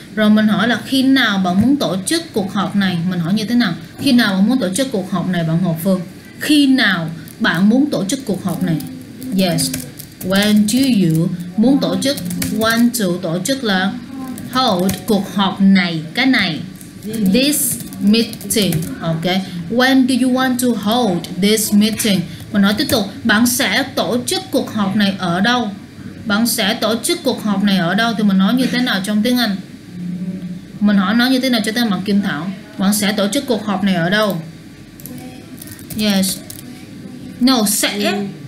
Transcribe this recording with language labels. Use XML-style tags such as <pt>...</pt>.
<vi>Rồi mình hỏi là khi nào bạn muốn tổ chức cuộc họp này? Mình hỏi như thế nào? Khi nào bạn muốn tổ chức cuộc họp này, bạn Hồ Phương? Khi nào bạn muốn tổ chức cuộc họp này? Yes.</vi> <en>When do you</en> <vi>muốn tổ chức?</vi> <en>Want to</en> <vi>tổ chức là</vi> <en>hold</en> <vi>cuộc họp này, cái này.</vi> <en>This meeting, okay. When do you want to hold this meeting?</en> <vi>Mình nói tiếp tục, bạn sẽ tổ chức cuộc họp này ở đâu? Bạn sẽ tổ chức cuộc họp này ở đâu? Thì mình nói như thế nào trong tiếng Anh? Mình hỏi nói như thế nào cho tên bạn Kim Thảo? Bạn sẽ tổ chức cuộc họp này ở đâu? Yes. No, sẽ.</vi>